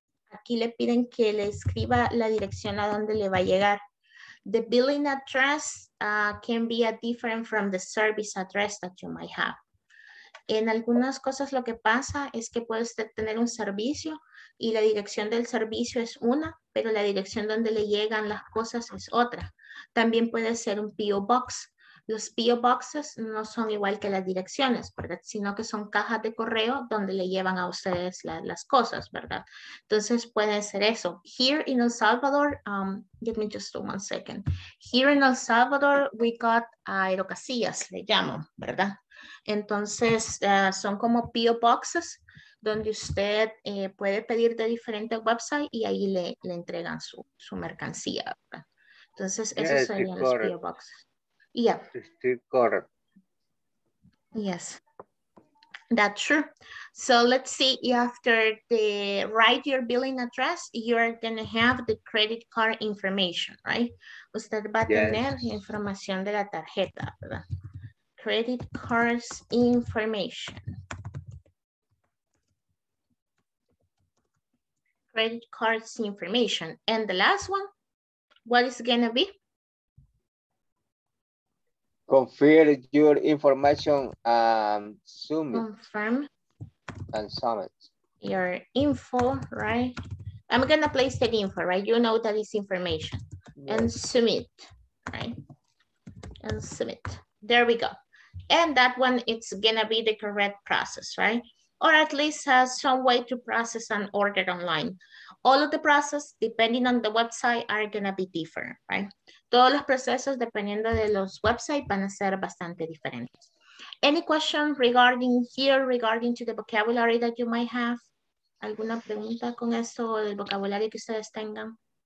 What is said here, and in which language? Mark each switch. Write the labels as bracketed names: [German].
[Spanish] Aquí le piden que le escriba la dirección a donde le va a llegar. [English] The billing address can be a different from the service address that you might have. [Spanish] En algunas cosas lo que pasa es que puede usted tener un servicio y la dirección del servicio es una, pero la dirección donde le llegan las cosas es otra. También puede ser un PO box. Los PO boxes no son igual que las direcciones, ¿verdad? Sino que son cajas de correo donde le llevan a ustedes las cosas, ¿verdad? Entonces puede ser eso. [English] Here in El Salvador, give me just one second. Here in El Salvador, we got aerocasillas, [Spanish] le llamo, ¿verdad? Entonces son como PO boxes donde usted puede pedir de diferentes websites y ahí le entregan su mercancía, ¿verdad? Entonces esos serían los PO boxes. [English] Yeah. Still yes, that's true. So let's see, after the write your billing address, you're gonna have the credit card information, right? [Spanish] Usted va a tener información de la tarjeta, ¿verdad? [English] Credit cards information. Credit cards information. And the last one, what is it gonna be? Confirm your information and submit. Confirm. And submit. Your info, right? I'm going to place that info, right? You know that it's information. Yes. And submit, right? And submit. There we go. And that one, it's going to be the correct process, right? Or at least has some way to process an order online. All of the process, depending on the website, are going to be different, right? [Spanish] Todos los procesos, dependiendo de los websites, van a ser bastante diferentes. [English] Any question regarding here, regarding to the vocabulary that you might have? [Spanish] ¿Alguna pregunta con esto o el vocabulario que ustedes tengan?